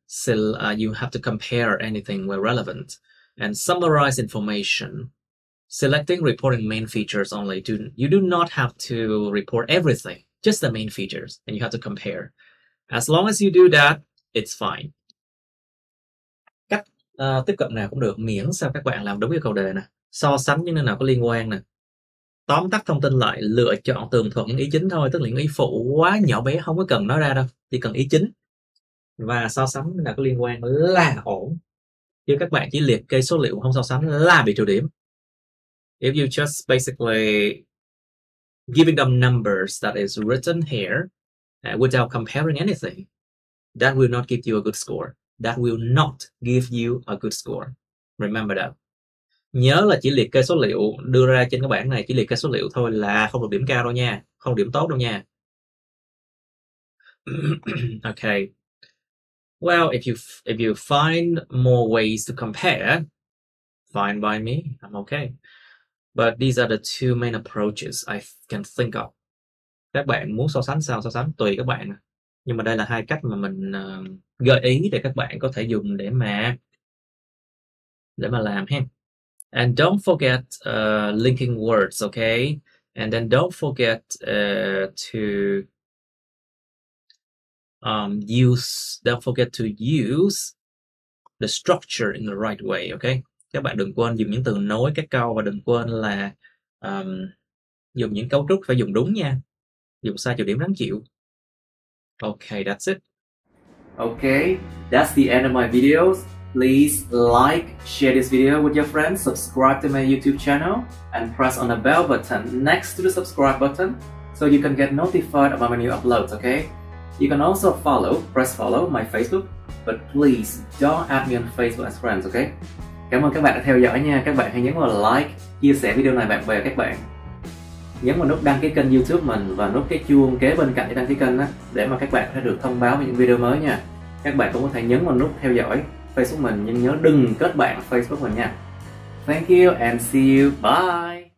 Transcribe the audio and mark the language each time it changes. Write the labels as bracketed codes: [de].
[en] So you have to compare anything where relevant and summarize information. Selecting reporting main features only. You do not have to report everything, just the main features, and you have to compare. As long as you do that, it's fine. [vi] Cách tiếp cận nào cũng được, miễn sao các bạn làm đúng yêu cầu đề nè. So sánh những nơi nào có liên quan nè. Tóm tắt thông tin lại, lựa chọn tường thuật những ý chính thôi, tức là những ý phụ quá nhỏ bé không có cần nó ra đâu, chỉ cần ý chính. Và so sánh những nơi nào có liên quan là ổn. Chứ các bạn chỉ liệt kê số liệu không so sánh là bị trừ điểm. [en] If you just basically giving them numbers that is written here without comparing anything, that will not give you a good score. That will not give you a good score. Remember that. [vi] Nhớ là chỉ liệt kê số liệu đưa ra trên cái bảng này, chỉ liệt kê số liệu thôi là không được điểm cao đâu nha, không điểm tốt đâu nha. [en] Okay. Well, if you find more ways to compare, fine by me, I'm okay. But these are the two main approaches I can think of. [vi] Các bạn muốn so sánh sao so sánh tùy các bạn. Nhưng mà đây là hai cách mà mình gợi ý để các bạn có thể dùng để mà làm ha. [en] And don't forget linking words, okay? And then don't forget to use the structure in the right way, okay? [vi] Các bạn đừng quên dùng những từ nối các câu và đừng quên là dùng những cấu trúc phải dùng đúng nha. Dùng sai trừ điểm đáng chịu. [en] Okay, that's it. Okay, that's the end of my videos. Please like, share this video with your friends, subscribe to my YouTube channel and press on the bell button next to the subscribe button so you can get notified about my new uploads, okay? You can also press follow my Facebook, but please don't add me on Facebook as friends, okay? [vi] Cảm ơn các bạn đã theo dõi nha. Các bạn hãy nhấn vào like, chia sẻ video này bạn bè các bạn. Nhấn vào nút đăng ký kênh YouTube mình và nút cái chuông kế bên cạnh để đăng ký kênh á, để mà các bạn sẽ được thông báo về những video mới nha. Các bạn cũng có thể nhấn vào nút theo dõi Facebook mình, nhưng nhớ đừng kết bạn Facebook mình nha. [en] Thank you and see you. Bye.